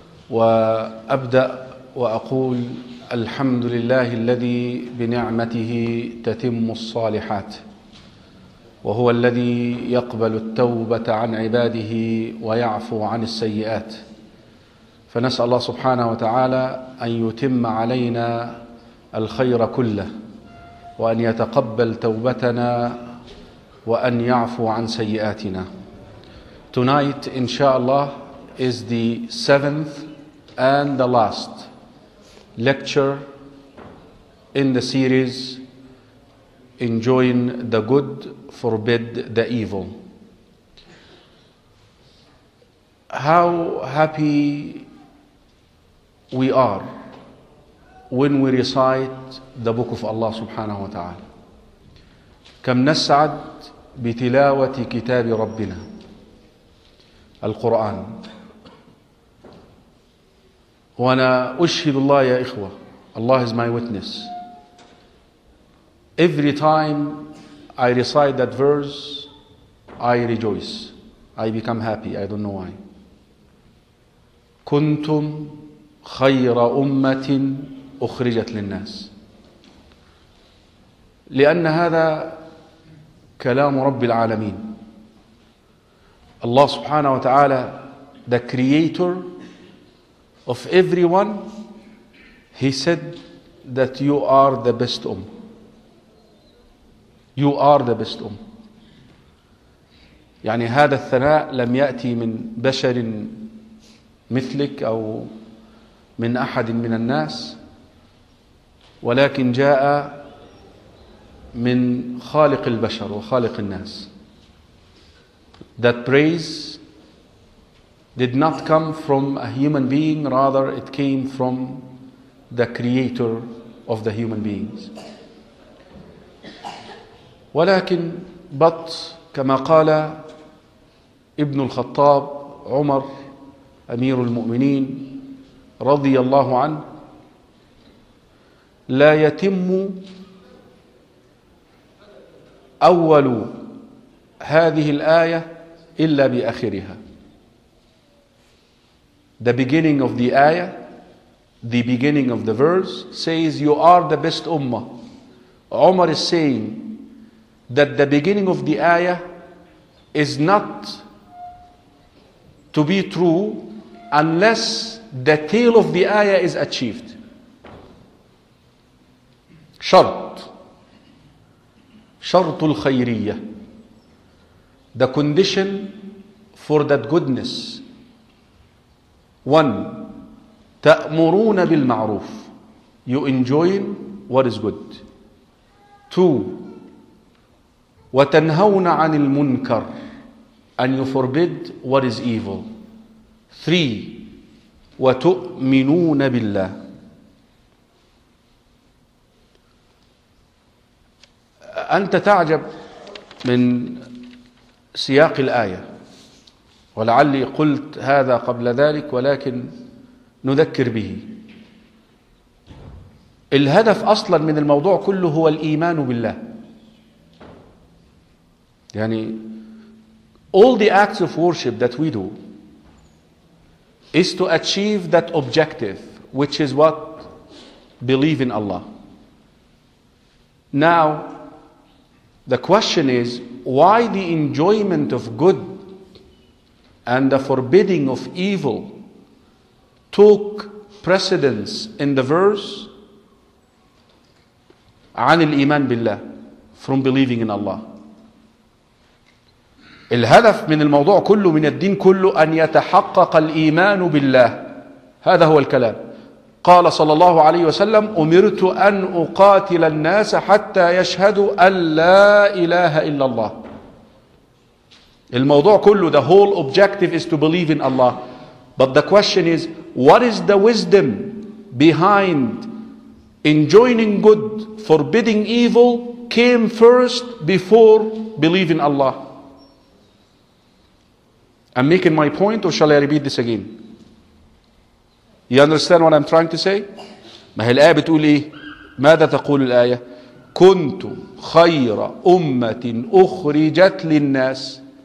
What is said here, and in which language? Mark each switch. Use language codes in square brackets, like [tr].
[ar] وأبدأ وأقول الحمد لله الذي بنعمته تتم الصالحات وهو الذي يقبل التوبة عن عباده ويعفو عن السيئات فنسأل الله سبحانه وتعالى أن يتم علينا الخير كله وأن يتقبل توبتنا وأن يعفو عن سيئاتنا. [en] Tonight, inshallah, is the seventh and the last lecture in the series Enjoying the Good, Forbid the Evil. How happy we are when we recite the book of Allah subhanahu wa ta'ala. [ar] كم نسعد بتلاوة كتاب ربنا القرآن. وأنا أشهد الله يا إخوة, [en] Allah is my witness. Every time I recite that verse, I rejoice. I become happy. I don't know why. [ar] كنتم خير أمة أخرجت للناس. لأن هذا كلام رب العالمين. [en] Allah سبحانه وتعالى, the creator of everyone, he said that you are the best ummah. You are the best ummah. [ar] يعني هذا الثناء لم يأتي من بشر مثلك أو من أحد من الناس, ولكن جاء من خالق البشر وخالق الناس. [en] That praise did not come from a human being, rather it came from the creator of the human beings. [ar] ولكن بط كما قال ابن الخطاب عمر أمير المؤمنين رضي الله عنه, لا يتم أول هذه الآية إلا بآخرها. [en] The beginning of the ayah, the beginning of the verse says, you are the best ummah. Umar is saying that the beginning of the ayah is not to be true unless the tail of the ayah is achieved. [ar] Shart. Shartul khayriyah. [en] The condition for that goodness. [ar] One, تأمرون بالمعروف. [en] You enjoying what is good. [ar] Two, وتنهون عن المنكر. [en] And you forbid what is evil. [ar] Three, وتؤمنون بالله. أنت تعجب من سياق الآية. ولعلي قلت هذا قبل ذلك ولكن نذكر به. الهدف أصلا من الموضوع كله هو الإيمان بالله. [en] يعني all the acts of worship that we do is to achieve that objective, which is what? Believe in Allah. Now the question is, why the enjoyment of good and the forbidding of evil took precedence in the verse [ar] عن الإيمان بالله, [en] from believing in Allah. [ar] الهدف من الموضوع كله, من الدين كله, أن يتحقق الإيمان بالله. هذا هو الكلام. قال صلى الله عليه وسلم, أمرت أن أقاتل الناس حتى يشهدوا أن لا إله إلا الله. الموضوع كله, [en] the whole objective is to believe in Allah. But the question is, what is the wisdom behind enjoining good, forbidding evil, came first before believing Allah? I'm making my point, or shall I repeat this again? You understand what I'm trying to say? [ar] ما هي الآية بتقول إيه؟ ماذا تقول الآية؟ كنتم خير أمة أخرجت للناس.